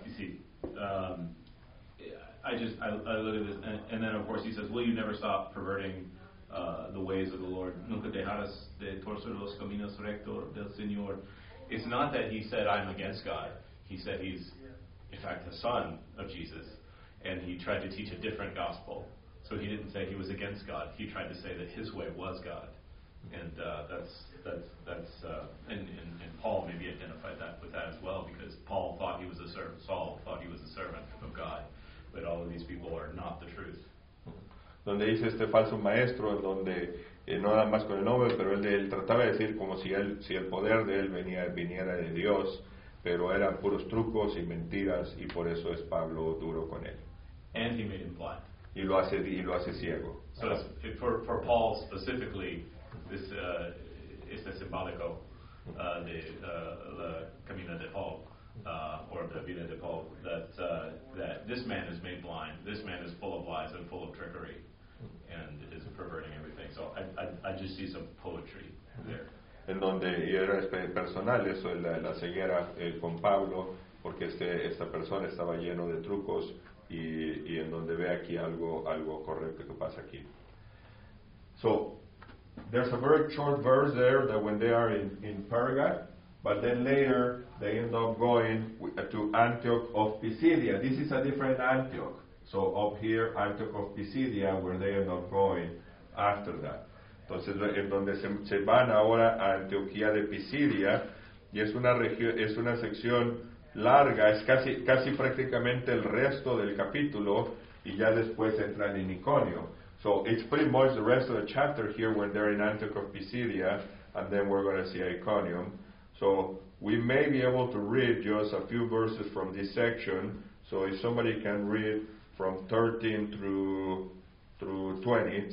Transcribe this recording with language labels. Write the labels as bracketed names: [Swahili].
[English] You see, I look at this, and then of course he says, "Will you never stop perverting the ways of the Lord?" [Spanish] Nunca dejarás de torcer los caminos rectos del Señor. [English] It's not that he said I'm against God. He said he's, in fact, the son of Jesus, and he tried to teach a different gospel. So he didn't say he was against God. He tried to say that his way was God. And that's Paul maybe identified that with that as well, because Paul thought he was a servant, Saul thought he was a servant of God, but all of these people are not the truth. [Spanish] Donde dice este falso maestro, donde no nada más con el nombre, pero él trataba de decir como si el poder de él viniera de Dios, pero eran puros trucos y mentiras, y por eso es Pablo duro con él. [English] And he made him blind. [Spanish] Y lo hace ciego. [English] So for Paul specifically, this is the [Spanish] simbólico de la camina de [English] Paul, or the [Spanish] vida de [English] Paul, that this man is made blind, this man is full of lies and full of trickery, and is perverting everything. So I just see some poetry there. [Spanish] En donde era personal eso, la ceguera con Pablo, porque esta persona estaba lleno de trucos, y en donde ve aquí algo correcto que pasa aquí. [English] So there's a very short verse there that when they are in Perga, but then later they end up going to Antioch of Pisidia. This is a different Antioch. So up here, Antioch of Pisidia, where they end up going after that. [Spanish] Entonces, en donde se van ahora a Antioquía de Pisidia, y es una región, es una sección larga, es casi prácticamente el resto del capítulo, y ya después entran en Iconio. [English] So it's pretty much the rest of the chapter here when they're in Antioch of Pisidia, and then we're going to see Iconium. So we may be able to read just a few verses from this section. So if somebody can read from 13 through 20.